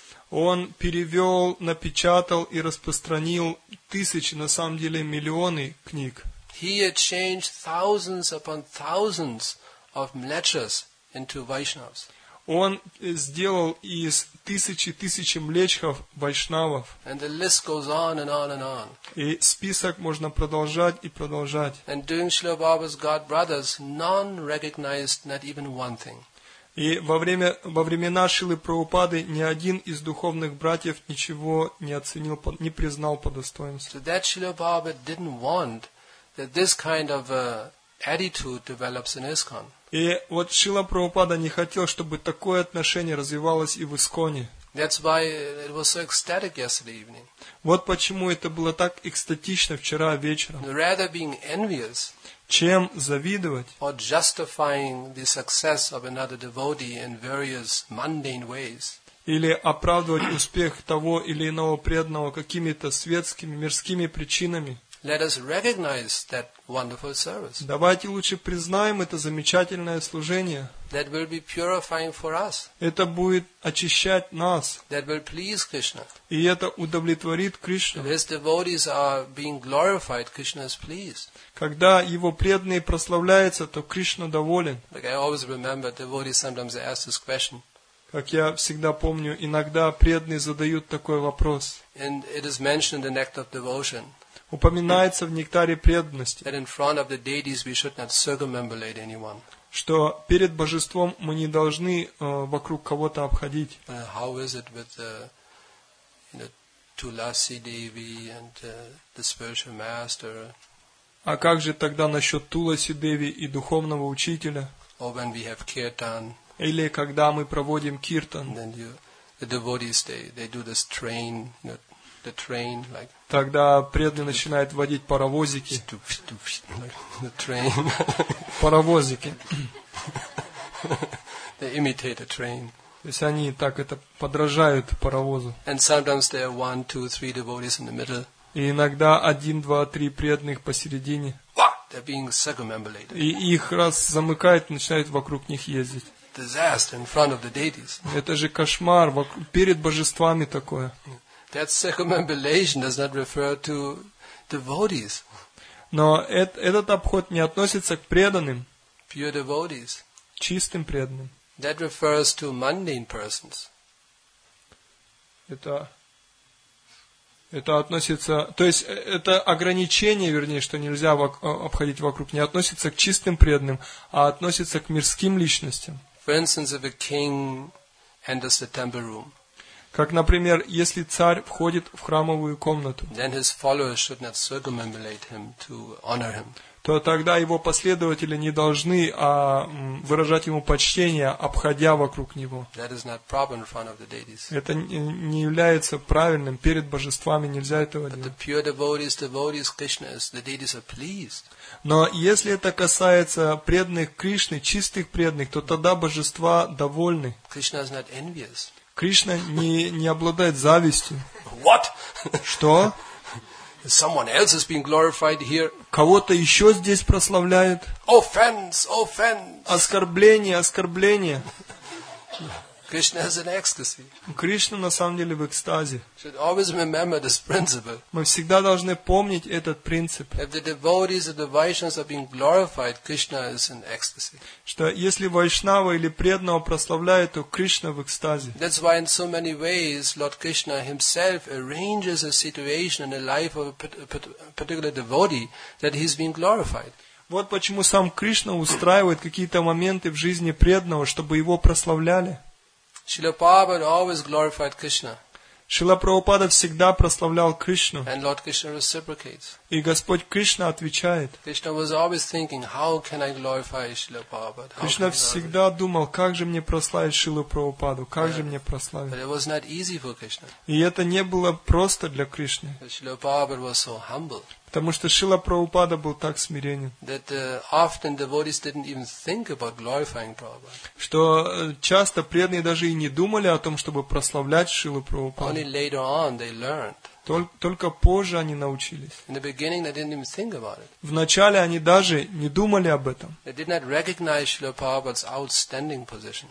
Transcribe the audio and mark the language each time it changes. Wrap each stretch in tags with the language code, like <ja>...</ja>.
<ru>Он перевел, напечатал и распространил тысячи, на самом деле миллионы книг.</ru> <en>He had changed thousands upon thousands of mlechas into Vaishnavas.</en> <ru>Он сделал из тысячи млечхов вайшнавов.</ru> <en>And the list goes on and on and on.</en> <ru>И список можно продолжать и продолжать.</ru> <en>And during Srila Prabhupada's god brothers, none recognized not even one thing.</en> <ru>И во времена Шрилы Прабхупады ни один из духовных братьев ничего не оценил, не признал по достоинству.</ru> <en>So that Srila Prabhupada didn't want that this kind of attitude develops in ISKCON.</en> <ru>И вот Шрила Прабхупада не хотел, чтобы такое отношение развивалось и в Исконе.</ru> <en>That's why it was so ecstatic yesterday evening.</en> <ru>Вот почему это было так экстатично вчера вечером.</ru> <en>Rather being envious,</en> <ru>чем завидовать,</ru> <en>or justifying the success of another devotee in various mundane ways,</en> <ru>или оправдывать успех того или иного преданного какими-то светскими, мирскими причинами.</ru> <en>Let us recognize that wonderful service.</en> <ru>Давайте лучше признаем это замечательное служение.</ru> <en>That will be purifying for us.</en> <ru>Это будет очищать нас.</ru> <en>That will please Krishna.</en> <ru>И это удовлетворит Кришну.</ru> <en>His devotees are being glorified, Krishna is pleased.</en> <ru>Когда его преданные прославляются, то Кришна доволен.</ru> <en>Like I always remember, devotees sometimes ask this question.</en> <ru>Как я всегда помню, иногда преданные задают такой вопрос.</ru> <en>And it is mentioned in the Nectar of Devotion.</en> <ru>Упоминается в нектаре преданности,</ru> <en>that in front of the deities we should not circumambulate anyone.</en> <ru>Что перед божеством мы не должны вокруг кого-то обходить.</ru> <en>How is it with the, you know, Tulasi Devi and the spiritual master?</en> <ru>А как же тогда насчет Туласи Деви и духовного учителя?</ru> <en>Or when we have kirtan.</en> <ru>Или когда мы проводим киртан.</ru> <en>Then you, the devotees, they do this train, you know, the train, like.</en> <ru>Тогда преданный начинает водить паровозики.</ru> <en>The train.</en> <ru>Паровозики.</ru> <en>They imitate a train.</en> <ru>То есть они так это подражают паровозу.</ru> <en>And sometimes there are one, two, three devotees in the middle.</en> <ru>И иногда один, два, три преданных посередине.</ru> <en>They're being circumambulated.</en> <ru>И их раз замыкает, начинают вокруг них ездить.</ru> <en>Disaster in front of the deities.</en> <ru>Это же кошмар перед божествами такое.</ru> <en>That circumambulation does not refer to devotees.</en> <ru>Но этот обход не относится к преданным.</ru> <en>Pure devotees.</en> <ru>Чистым преданным.</ru> <en>That refers to mundane persons.</en> <ru>Это относится, то есть это ограничение, вернее, что нельзя обходить вокруг, не относится к чистым преданным, а относится к мирским личностям.</ru> <en>For instance, if a king enters the temple room.</en> <ru>Как, например, если царь входит в храмовую комнату,</ru> <en>then his followers should not circumambulate him to honor him.</en> <ru>То тогда его последователи не должны выражать ему почтение, обходя вокруг него.</ru> <en>That is not proper in front of the deities.</en> <ru>Это не является правильным. Перед божествами нельзя этого делать.</ru> <en>But the pure devotees, devotees, Krishnas, the deities are pleased.</en> <ru>Но если это касается преданных Кришны, чистых преданных, то тогда божества довольны.</ru> <en>Krishna is not envious.</en> <ru>Кришна не обладает завистью.</ru> <en>What?</en> <ru>Что?</ru> <en>Someone else is being glorified here.</en> <ru>Кого-то еще здесь прославляют.</ru> <en>Offense, offense.</en> <ru>Оскорбление, оскорбление.</ru> <en>Krishna is in ecstasy.</en> <ru>Кришна на самом деле в экстазе.</ru> <en>Should always remember this principle.</en> <ru>Мы всегда должны помнить этот принцип.</ru> <en>If the devotees or the Vaishnavas are being glorified, Krishna is in ecstasy.</en> <ru>Что если вайшнава или преданного прославляют, то Кришна в экстазе.</ru> <en>That's why in so many ways Lord Krishna himself arranges a situation in the life of a particular devotee that he's being glorified.</en> <ru>Вот почему сам Кришна устраивает какие-то моменты в жизни преданного, чтобы его прославляли.</ru> <en>Srila Prabhupada always glorified Krishna.</en> <ru>Srila Prabhupada всегда прославлял Кришну.</ru> <en>And Lord Krishna reciprocates.</en> <ru>И Господь Кришна отвечает.</ru> <en>Krishna was always thinking, how can I glorify Srila Prabhupada?</en> <ru>Кришна всегда думал, как же мне прославить Шрилу Прабхупаду, как же мне прославить?</ru> <en>But it was not easy for Krishna.</en> <ru>И это не было просто для Кришны.</ru> <en>Srila Prabhupada was so humble.</en> <ru>Потому что Шрила Прабхупада был так смиренен,</ru> <en>that often devotees didn't even think about glorifying Prabhupada.</en> <ru>Что часто преданные даже и не думали о том, чтобы прославлять Шрилу Прабхупаду.</ru> <en>Only later on they learned.</en> <ru>Только позже они научились.</ru> <en>In the beginning they didn't even think about it.</en> <ru>Вначале они даже не думали об этом.</ru> <en>They did not recognize Srila Prabhupada's outstanding position.</en>